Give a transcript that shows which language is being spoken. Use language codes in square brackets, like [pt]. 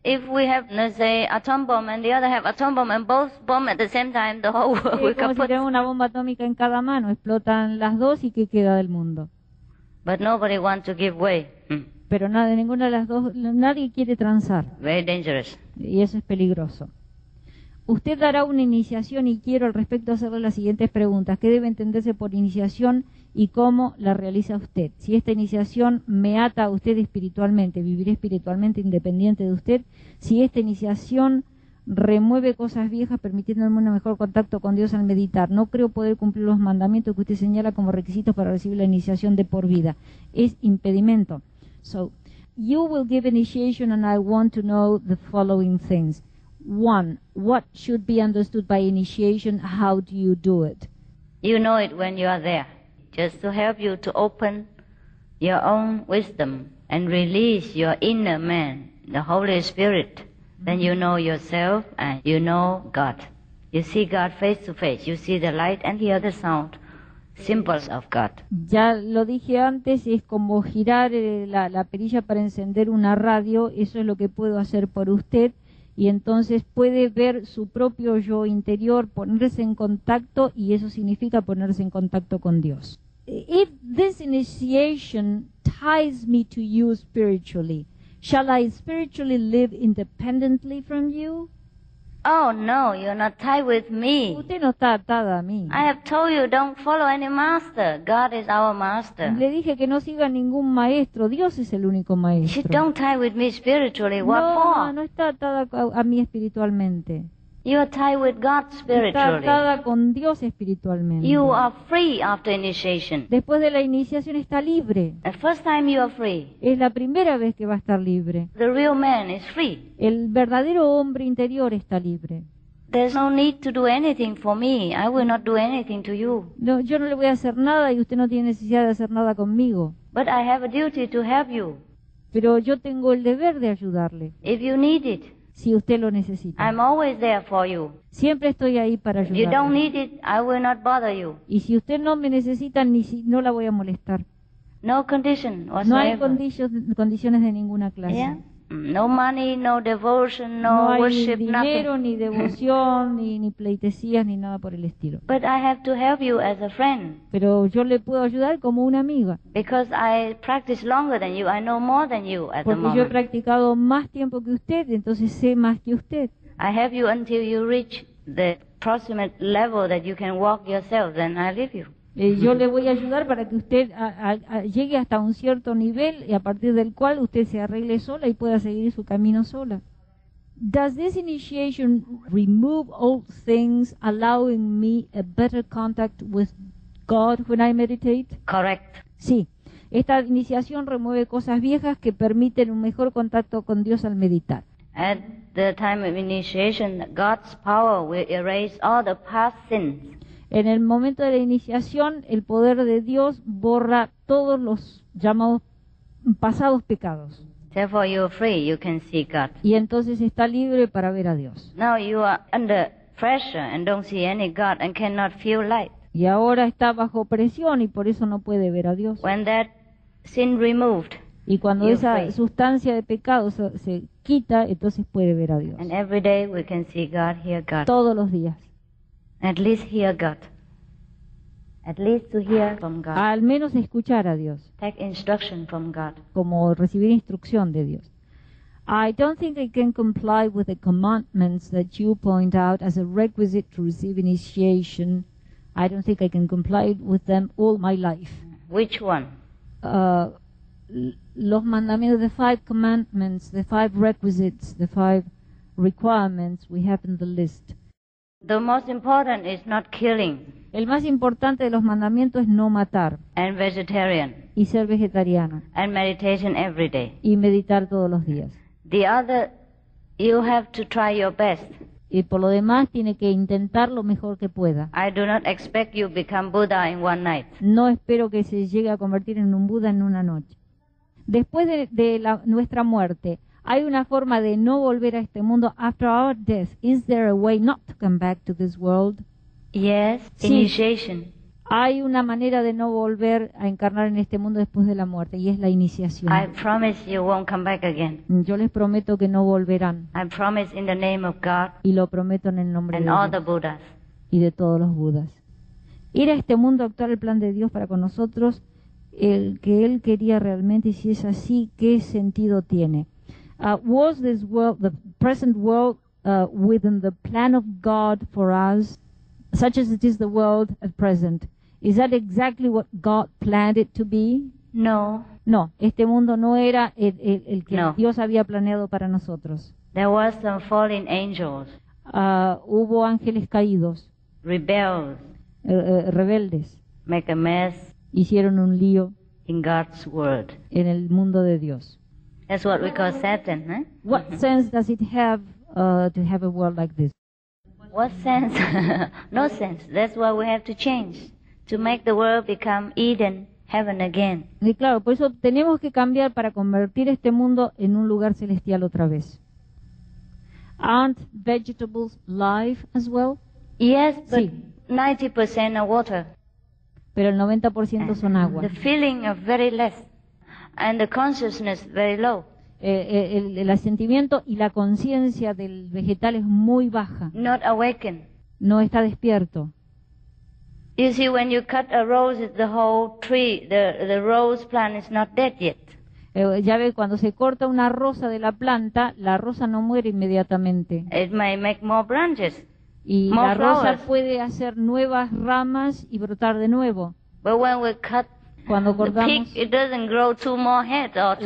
[en] If we have, let's say, atom bomb and the other have atom bomb and both bomb at the same time, the whole world will kaput. [es] Como si tienen una bomba atómica en cada mano, explotan las dos y qué queda del mundo. [en] But nobody wants to give way. [es] Pero nada, ninguna de las dos, nadie quiere transar. [en] Very dangerous. [es] Y eso es peligroso. Usted dará una iniciación y quiero al respecto hacerle las siguientes preguntas. ¿Qué debe entenderse por iniciación y cómo la realiza usted? Si esta iniciación me ata a usted espiritualmente, viviré espiritualmente independiente de usted. Si esta iniciación remueve cosas viejas permitiéndome un mejor contacto con Dios al meditar. No creo poder cumplir los mandamientos que usted señala como requisitos para recibir la iniciación de por vida. Es impedimento. [en] So, you will give initiation and I want to know the following things. One, what should be understood by initiation? How do you do it? You know it when you are there. Just to help you to open your own wisdom and release your inner man, the Holy Spirit. Then you know yourself and you know God. You see God face to face. You see the light and hear the sound. Symbols of God. [es] Ya lo dije antes, es como girar la perilla para encender una radio. Eso es lo que puedo hacer por usted. Y entonces puede ver su propio yo interior, ponerse en contacto, y eso significa ponerse en contacto con Dios. [en] If this initiation ties me to you spiritually, shall I spiritually live independently from you? Oh no, you're not tied with me. [es] Usted no está atada a mí. [en] I have told you don't follow any master. God is our master. [es] Le dije que no siga ningún maestro. Dios es el único maestro. [en] She don't tie with me spiritually. What [es] no, [en] for? [es] No está atada a mí espiritualmente. [en] You are tied with God spiritually. [es] Está atada con Dios espiritualmente. [en] You are free after initiation. [es] Después de la iniciación está libre. [en] The first time you are free. [es] Es la primera vez que va a estar libre. [en] The real man is free. [es] El verdadero hombre interior está libre. [en] There's no need to do anything for me. I will not do anything to you. [es] No, yo no le voy a hacer nada y usted no tiene necesidad de hacer nada conmigo. [en] But I have a duty to help you. [es] Pero yo tengo el deber de ayudarle. [en] If you need it. [es] Si usted lo necesita. [en] I'm always there for you. [es] Siempre estoy ahí para ayudarle. [en] If you don't need it, I will not bother you. [es] Y si usted no me necesita, no la voy a molestar. [en] No condition whatsoever. [es] No hay condiciones de ninguna clase. [en] Yeah. No money, no devotion, no worship, nothing. [es] No hay dinero, ni devoción, ni pleitesías, ni nada por el estilo. [en] But I have to help you as a friend. [es] Pero yo le puedo ayudar como una amiga. [en] Because I practice longer than you, I know more than you at the moment. [es] Porque yo he practicado más tiempo que usted, entonces sé más que usted. [en] I help you until you reach the approximate level that you can walk yourself, then I leave you. [es] Yo le voy a ayudar para que usted llegue hasta un cierto nivel y a partir del cual usted se arregle sola y pueda seguir su camino sola. [en] Does this initiation remove old things, allowing me a better contact with God when I meditate? Correct. [es] Sí. Esta iniciación remueve cosas viejas que permiten un mejor contacto con Dios al meditar. [en] At the time of initiation, God's power will erase all the past sins. [es] En el momento de la iniciación, el poder de Dios borra todos los llamados pasados pecados. [en] Therefore, you are free. You can see God. [es] Y entonces está libre para ver a Dios. [en] Now you are under pressure and don't see any God and cannot feel light. [es] Y ahora está bajo presión y por eso no puede ver a Dios. [en] When that sin removed, [es] y cuando [en] you're [es] esa [en] free. [es] Sustancia de pecados se quita, entonces puede ver a Dios. [en] And every day we can see God, hear God. [es] Todos los días. [en] At least hear God. At least to hear from God. [es] Al menos escuchar a Dios. [en] Take instruction from God. [es] Como recibir instrucción de Dios. [en] I don't think I can comply with the commandments that you point out as a requisite to receive initiation. I don't think I can comply with them all my life. Which one? [es] Los mandamientos, [en] the five commandments, the five requisites, the five requirements we have in the list. The most important is not killing. [es] El más importante de los mandamientos es no matar. [en] And vegetarian. [es] Y ser vegetariana. [en] And meditation every day. [es] Y meditar todos los días. [en] The other, you have to try your best. [es] Y por lo demás tiene que intentar lo mejor que pueda. [en] I do not expect you become Buddha in one night. [es] No espero que se llegue a convertir en un Buda en una noche. Después de la, nuestra muerte, ¿hay una forma de no volver a este mundo? [en] After our death, is there a way not to come back to this world? Yes, [es] sí. [en] Initiation. [es] Hay una manera de no volver a encarnar en este mundo después de la muerte, y es la iniciación. [en] I promise you won't come back again. [es] Yo les prometo que no volverán. [en] I promise in the name of God. [es] Y lo prometo en el nombre [en] and [es] de [en] all [es] Dios. [en] The Buddhas. [es] Y de todos los Budas. Ir a este mundo a actuar el plan de Dios para con nosotros, el que Él quería realmente, y si es así, ¿qué sentido tiene? [en] Was this world, the present world, within the plan of God for us, such as it is the world at present? Is that exactly what God planned it to be? No. [es] No, este mundo no era el que no. Dios había planeado para nosotros. [en] There was some fallen angels. [es] Hubo ángeles caídos. [en] Rebels. [es] Rebeldes. [en] Make a mess. [es] Hicieron un lío. [en] In God's world. [es] En el mundo de Dios. [en] That's what we call Satan, huh? What sense does it have to have a world like this? What sense? No sense. That's why we have to change, to make the world become Eden, heaven again. [es] Y claro, por eso tenemos que cambiar para convertir este mundo en un lugar celestial otra vez. [en] Aren't vegetables life as well? Yes, but 90% are water. [es] Pero el 90% son agua. [en] The feeling of very less. And the consciousness very low. [es] El sentimiento y la conciencia del vegetal es muy baja. [en] Not awakened. [es] No está despierto. [en] You see, when you cut a rose, the whole tree, the rose plant is not dead yet. [es] Ya ve, cuando se corta una rosa de la planta, la rosa no muere inmediatamente. [en] It may make more branches. [es] Y [en] more [es] la rosa [en] flowers. [es] Puede hacer nuevas ramas y brotar de nuevo. [en] But when we cut [es] cuando cortamos, [en] pig, it doesn't grow two more heads or two